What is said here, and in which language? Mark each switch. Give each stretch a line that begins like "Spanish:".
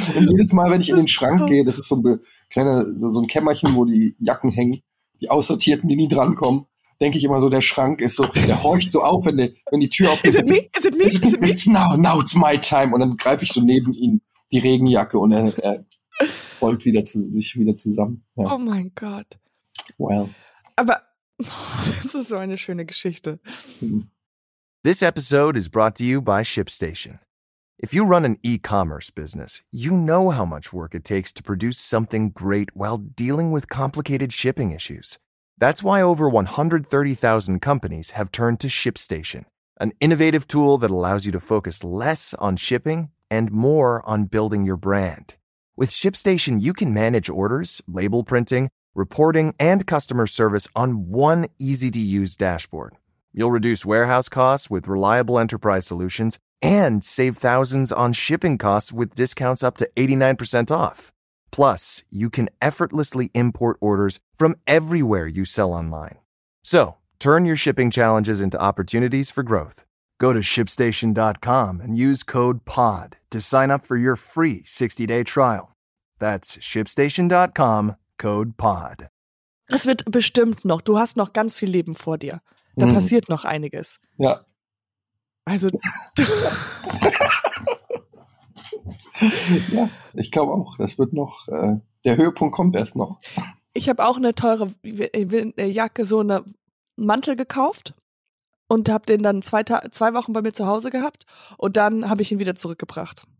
German: Und jedes Mal, wenn ich in den Schrank gehe, das ist so ein kleiner, so ein Kämmerchen, wo die Jacken hängen, die aussortierten, die nie drankommen, denke ich immer so, der Schrank ist so, der horcht so auf, wenn die Tür aufgeht.
English: Is it me? Now it's my time.
German: Und dann greife ich so neben ihn die Regenjacke und er rollt wieder zusammen. Ja. Oh mein Gott.
English: Well.
German: Aber das ist so eine schöne Geschichte.
English: This episode is brought to you by ShipStation. If you run an e-commerce business, you know how much work it takes to produce something great while dealing with complicated shipping issues. That's why over 130,000 companies have turned to ShipStation, an innovative tool that allows you to focus less on shipping and more on building your brand. With ShipStation, you can manage orders, label printing, reporting, and customer service on one easy-to-use dashboard. You'll reduce warehouse costs with reliable enterprise solutions and save thousands on shipping costs with discounts up to 89% off. Plus, you can effortlessly import orders from everywhere you sell online. So, turn your shipping challenges into opportunities for growth. Go to ShipStation.com and use code POD to sign up for your free 60-day trial. That's ShipStation.com, code POD.
German: Es wird bestimmt noch. Du hast noch ganz viel Leben vor dir. Da passiert noch einiges. Ja. Also, ja, ich glaube auch, das wird noch, der Höhepunkt kommt erst noch. Ich habe auch eine teure Jacke, so eine Mantel gekauft und habe den dann zwei Wochen bei mir zu Hause gehabt und dann habe ich ihn wieder zurückgebracht.